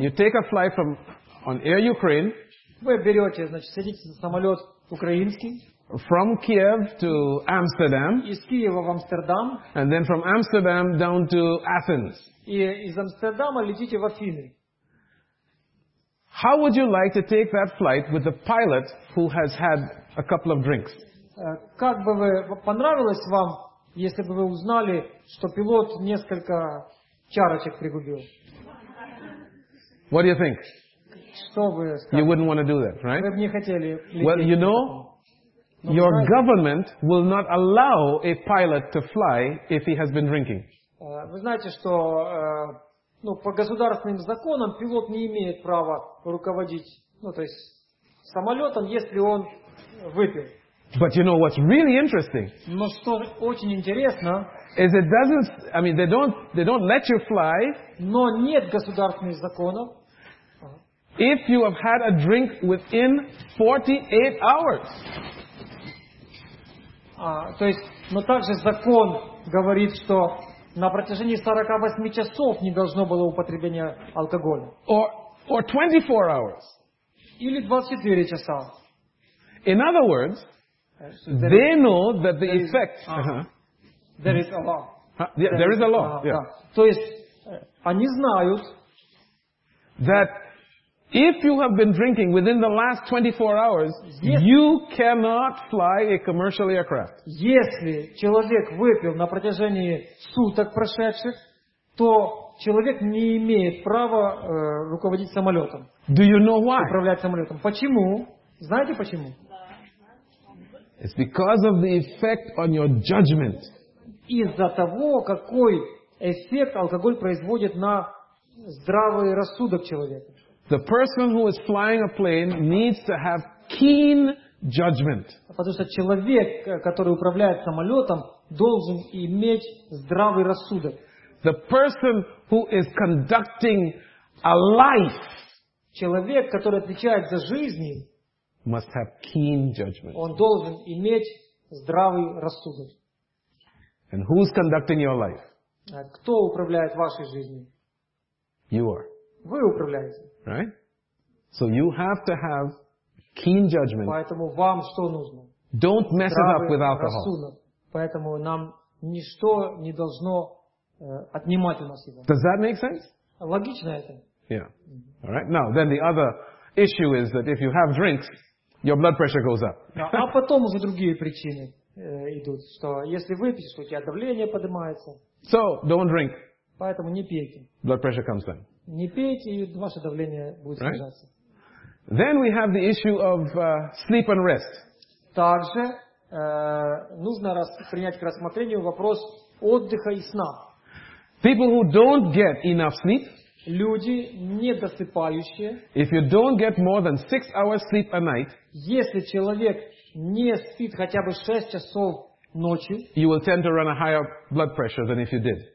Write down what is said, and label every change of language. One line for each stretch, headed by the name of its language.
English: You take a flight from on Air Ukraine.
Russian: Вы берете, значит, садитесь на самолет украинский.
English: From Kiev to Amsterdam.
Russian: Из Киева в Амстердам.
English: And then from Amsterdam down to Athens.
Russian: И из Амстердама летите в Афины.
English: How would you like to take that flight with the pilot who has had a couple of drinks?
Russian: Как бы вы понравилось вам, если бы вы узнали, что пилот несколько чарочек пригубил?
English: What do you think?
Russian: Что вы скажете?
English: You wouldn't want to do that, right?
Russian: Вы бы не хотели.
English: Well, you know, your government will not allow a pilot to fly if he has been drinking.
Russian: Вы знаете, что по государственным законам пилот не имеет права руководить, то есть самолетом, если он выпил.
English: But you know what's really interesting?
Russian: Но что очень интересно?
English: Is it doesn't? I mean, they don't let you fly.
Russian: Но нет государственных законов.
English: If you have had a drink within 48 hours.
Russian: То есть, но также закон говорит, что на протяжении 48 часов не должно было употребления алкоголя.
English: Or 24 hours.
Russian: Или 24 часа.
English: In other words. They know that the effect. There is a law. There is a law. Yeah.
Russian: То есть они знают,
English: that if you have been drinking within the last 24 hours, you cannot fly a commercial aircraft.
Russian: Если человек выпил на протяжении суток прошедших, то человек не имеет права руководить самолетом.
English: Do you know why?
Russian: Управлять самолетом. Почему? Знаете почему?
English: It's because of the effect on your judgment.
Russian: Из-за того, какой эффект алкоголь производит на здравый рассудок человека.
English: The person who is flying a plane needs to have keen judgment.
Russian: Потому что человек, который управляет самолетом, должен иметь здравый рассудок.
English: The person who is conducting a life.
Russian: Человек, который отвечает за жизни.
English: Must have keen judgment.
Russian: Он должен иметь здравый рассудок.
English: And who's conducting your life?
Russian: Кто управляет вашей жизнью?
English: You are.
Russian: Вы управляете.
English: Right? So you have to have keen judgment.
Russian: Поэтому вам что нужно?
English: Don't mess it up with alcohol.
Russian: Поэтому нам ничто не должно отнимать у нас его.
English: Does that make sense?
Russian: Логично это.
English: Yeah. All right. Now, then the other issue is that if you have drinks, your blood pressure goes up.
Russian: А потом уже другие причины идут, что если выпьешь, то у тебя давление поднимается.
English: So, don't drink.
Russian: Поэтому не пейте.
English: Blood pressure comes down.
Russian: Не пейте, и ваше давление будет снижаться.
English: Then we have the issue of sleep and rest.
Russian: Также нужно принять к рассмотрению вопрос отдыха и сна.
English: People who don't get enough sleep.
Russian: Люди недосыпающие.
English: If you don't get more than 6 hours sleep a night.
Russian: Если человек не спит хотя бы 6 часов ночью.
English: You will tend to run a higher blood pressure than if you did.